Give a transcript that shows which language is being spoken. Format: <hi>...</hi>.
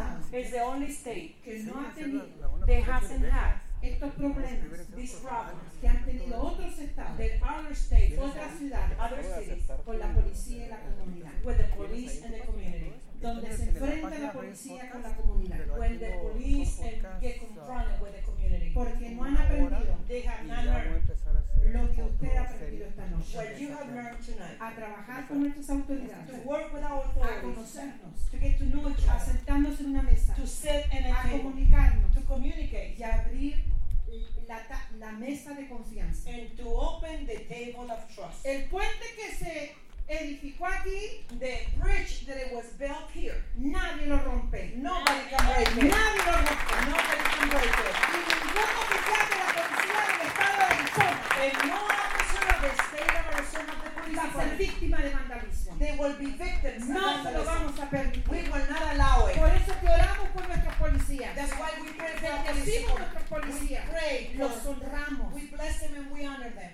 <en>Is the only state that hasn't had these problems, that other states, other cities, with the police and the community.</en> <es>Donde se enfrenta la policía con la comunidad.</es> <en>When the police get confronted with the community.</en> <es>Porque no han aprendido.</es> <en>They have not learned.</en> <es>Lo que usted ha aprendido esta noche.</es> <en>What you have learned tonight.</en> <es>A trabajar con nuestras autoridades.</es> <en>To work with our authorities.</en> <es>A conocernos.</es> <en>To get to know each other.</en> <es>A sentarnos en una mesa.</es> <en>To sit in a table.</en> <es>A comunicarnos.</es> <en>To communicate.</en> <es>Y abrir la mesa de confianza.</es> <en>And to open the table of trust.</en> <es>El puente que se edificó aquí,</es> <en>the bridge that it was built here,</en> <es>nadie lo rompe.</es> <en>Nobody can break it.</en> <es>Nadie lo rompe.</es> <en>Nobody can break it.</en> <es>Y ningún oficial de la policía del estado de Arizona,</es> <en>and no officer of the state of Arizona, the police,</en> <es>va a ser víctima de vandalismo.</es> <en>They will be victims.</en> <es>No se lo vamos a permitir.</es> <en>We will not allow it.</en> <es>Por eso que oramos por nuestra policía.</es> <en>That's why we pray for</en> <es>nuestra policía.</es> <en>We pray.</en> <es>Los honramos.</es> <en>We bless them and we honor them.</en>